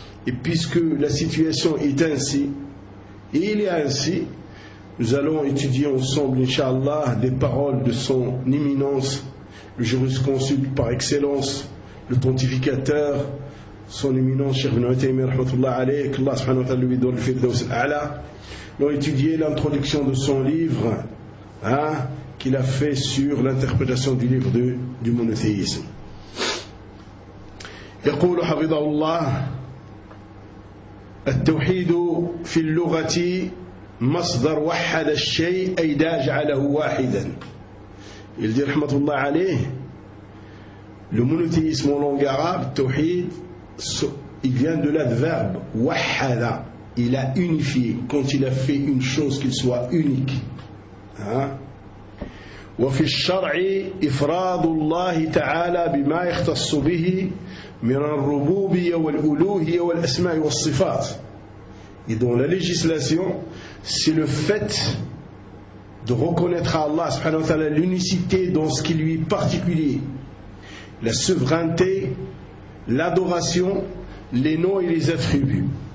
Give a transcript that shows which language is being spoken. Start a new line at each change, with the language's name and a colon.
French: Et puisque la situation est ainsi, et il est ainsi, nous allons étudier ensemble, Inch'Allah, des paroles de son éminence, le jurisconsulte par excellence, le pontificateur, son éminence, Cheikh Ibn Uthaymeen,
Arabic: rahmatullah alayhi,
French: que Allah subhanahu wa ta'ala lui donne le firdaus al-a'la. Nous allons étudier l'introduction de son livre, qu'il a fait sur l'interprétation du livre du monothéisme.
Arabic: Yaqulu hafidhahullah. التوحيد في اللغة مصدر وحد الشيء أي داج عليه واحدا.
French: Il dit
Arabic: رحمة الله عليه.
French: Le monothéisme en langue arabe, توحيد, il vient de l'adverbe وحد. Il a unifié quand il a fait une chose qu'il soit unique.
Arabic: وفي الشرع إفراد الله تعالى بما يختص به من الربوبية والألوهية والأسماء والصفات.
French: Et dans la législation, c'est le fait de reconnaître à Allah subhanahu wa ta'ala l'unicité dans ce qui lui est particulier, la souveraineté, l'adoration, les noms et les attributs.